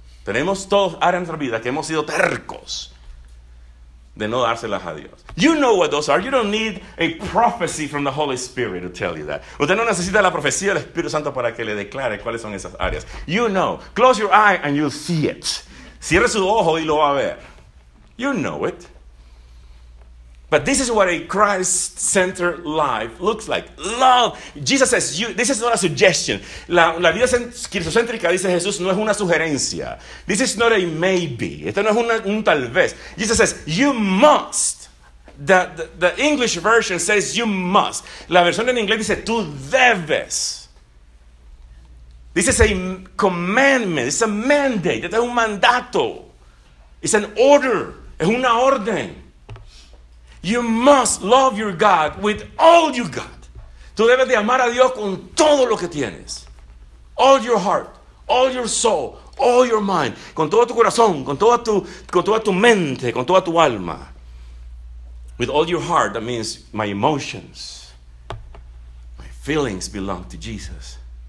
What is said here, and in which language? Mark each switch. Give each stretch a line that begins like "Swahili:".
Spanish: Tenemos todos áreas en nuestra vida que hemos sido tercos de no dárselas a Dios.
English: You know what those are. You don't need a prophecy from the Holy Spirit to tell you that.
Spanish: Usted no necesita la profecía del Espíritu Santo para que le declare cuáles son esas áreas.
English: You know. Close your eye and you'll see it.
Spanish: Cierre su ojo y lo va a ver.
English: You know it. But this is what a Christ-centered life looks like. Love. Jesus says, this is not a suggestion.
Spanish: La vida cristocéntrica, dice Jesús, no es una sugerencia.
English: This is not a maybe.
Spanish: Esto no es un tal vez.
English: Jesus says, you must. The English version says, you must.
Spanish: La versión en inglés dice, tú debes.
English: This is a commandment. It's a mandate.
Spanish: Esto es un mandato.
English: It's an order.
Spanish: Es una orden.
English: You must love your God with all you got.
Spanish: Tú debes de amar a Dios con todo lo que tienes.
English: All your heart, all your soul, all your mind.
Spanish: Con todo tu corazón, con toda tu mente, con toda tu alma.
English: With all your heart, that means my emotions, my feelings belong to Jesus.